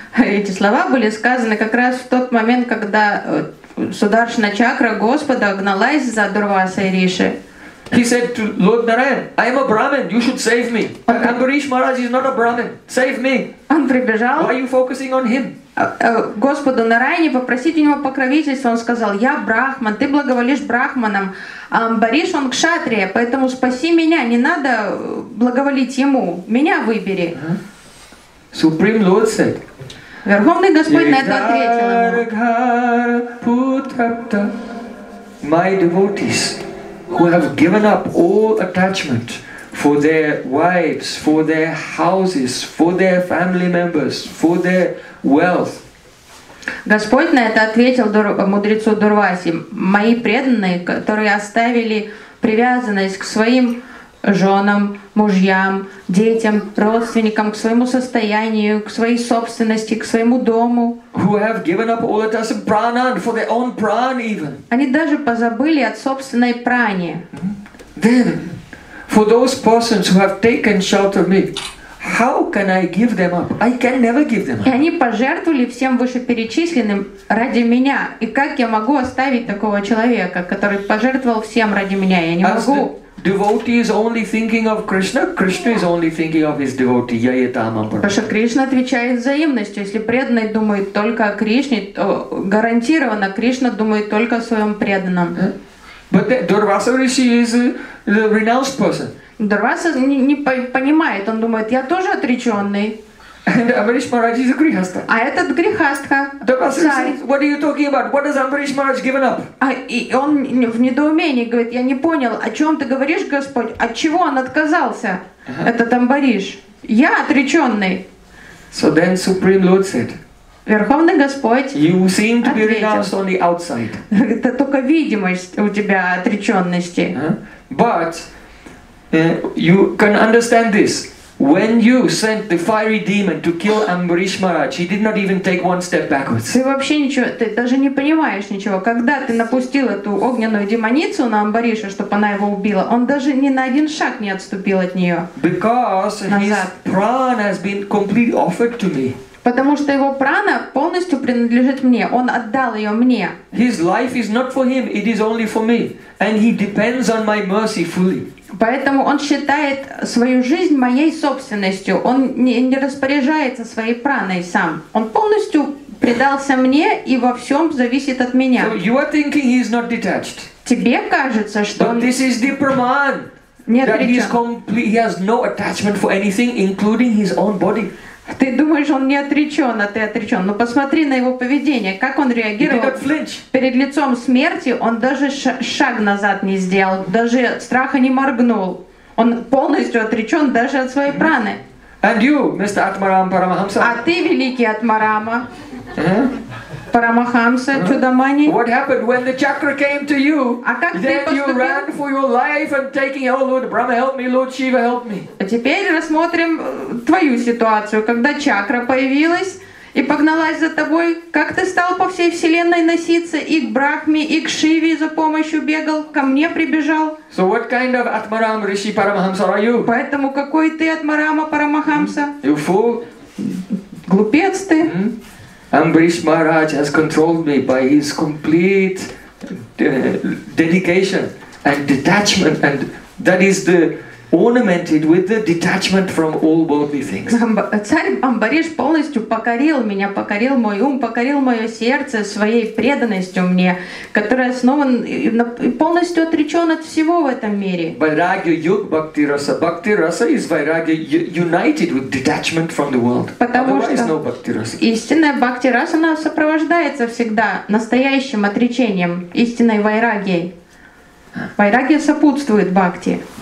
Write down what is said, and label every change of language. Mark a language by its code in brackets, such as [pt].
[ru] Эти слова были сказаны как раз в тот момент, когда Sudarshana chakra Господа гналась за Дурвасой Риши. [en] He said to Lord Narayan, I am a Brahmin, you should save me. Амбариш Махарадж is not a Brahmin, save me. [ru] Он прибежал. [en] Why are you focusing on him? [ru] Господу Нараяне попросить у него покровительства, он сказал, я Брахман, ты благоволишь Брахманам, а Амбариш он кшатрия, поэтому спаси меня, не надо благоволить ему, меня выбери. [en] Supreme Lord said, [ru] Верховный Господь на это ответил ему. [en] My devotees, who have given up all attachment for their wives, for their houses, for their family members, for their wealth. [ru] Господь на это ответил мудрецу Дурваси, мои преданные, которые оставили привязанность к своим женам, мужьям, детям, родственникам, к своему состоянию, к своей собственности, к своему дому. [en] Who have given up all that to pranan for their own pran even. [ru] Они даже позабыли от собственной прани. [en] Then, for those persons who have taken shelter of me, how can I give them up? I can never give them up. [ru] И они пожертвовали всем вышеперечисленным ради меня. И как я могу оставить такого человека, который пожертвовал всем ради меня? Я не могу. [en] Devotee is only thinking of Krishna. Krishna is only thinking of his devotee. Yayetam Ambar. [ru] Потому что Кришна отвечает взаимностью. Если преданный думает только о Кришне, то гарантированно Кришна думает только о своем преданном. [en] But Durvasa Rishi is a renounced person. [ru] Durvasa не понимает. Он думает, я тоже отреченный. [en] And Amrish Maharaj is a grihastha. [ru] А этот грихастха. [en] What are you talking about? What has Amrish Maharaj given up? [ru] И он в недоумении говорит, я не понял, о чем ты говоришь, Господь? От чего он отказался, этот Амбариш? Я отреченный. [en] So then Supreme Lord said, [ru] Верховный Господь [en] you seem to be renounced on the outside. Это только видимость у тебя отреченности. But you can understand this. When you sent the fiery demon to kill Amrish Maharaj, he did not even take one step backwards. [ru] Ты вообще ничего, ты даже не понимаешь ничего. Когда ты напустил эту огненную демоницу на Амбариша, чтобы она его убила, он даже ни на один шаг не отступил от нее. [en] Because [ru] назад. [en] His prana has been completely offered to me. [ru] Потому что его прана полностью принадлежит мне. Он отдал ее мне. [en] His life is not for him, it is only for me. And he depends on my mercy fully. [ru] Поэтому он считает свою жизнь моей собственностью. Он не распоряжается своей праной сам. Он полностью предался мне и во всем зависит от меня. [en] So you are thinking he is not detached. [ru] Тебе кажется, что [en] But this is the praman. That he is complete, he has no attachment for anything, including his own body. [ru] Ты думаешь, он не отречен, а ты отречен. Но посмотри на его поведение, как он реагировал. Перед лицом смерти он даже шаг назад не сделал, даже страха не моргнул. Он полностью отречен даже от своей праны. [en] And you, Mr. Atmaram Paramahamsa. [ru] А ты, великий Атмарама, Парамахамса, Чудамани. [en] What happened when the chakra came to you? [ru] А как [en] then [ru] ты поступил? [en] You ran for your life and taking, oh Lord Brahma, help me, Lord Shiva, help me. [ru] А теперь рассмотрим твою ситуацию, когда чакра появилась и погналась за тобой. Как ты стал по всей вселенной носиться и к Брахме, и к Шиве за помощью бегал, ко мне прибежал? [en] So what kind of Atmaram Rishi Paramahamsa are you? [ru] Поэтому какой ты Атмарама Парамахамса? [en] You fool. [ru] Глупец ты. [en] Amrish Maharaj has controlled me by his complete dedication and detachment, and that is the ornamented with the detachment from all worldly things. [ru] Царь Амбариш полностью покорил меня, покорил мой ум, покорил мое сердце своей преданностью мне, которая основана и полностью отречен от всего в этом мире. [sa] Vairagya yug bhakti rasa. [en] Bhakti rasa is vairagya united with detachment from the world. [ru] Потому [en] Otherwise, [ru] что [en] no bhakti rasa. [ru] Истинная бхакти раса, она сопровождается всегда настоящим отречением, истинной вайрагией. Вайрагия сопутствует бхакти.